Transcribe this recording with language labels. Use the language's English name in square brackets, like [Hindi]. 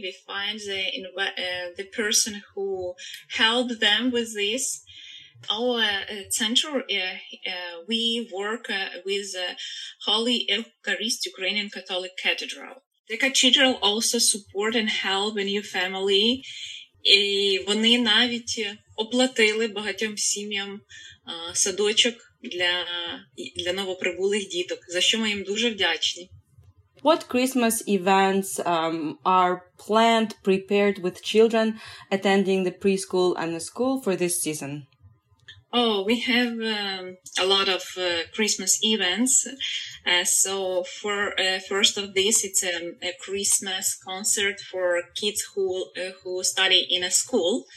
[English] We find the person who helped them with this. Our center, we work with Holy Eucharist Ukrainian Catholic Cathedral. The cathedral also support and help a new family. [Ukrainian] І вони навіть оплатили багатьом сім'ям садочок для новоприбулих діток, за що ми їм дуже вдячні. [English] What Christmas events are planned, prepared with children attending the preschool and the school for this season? Oh, we have a lot of Christmas events. So for first of this, it's a Christmas concert for kids who study in a school.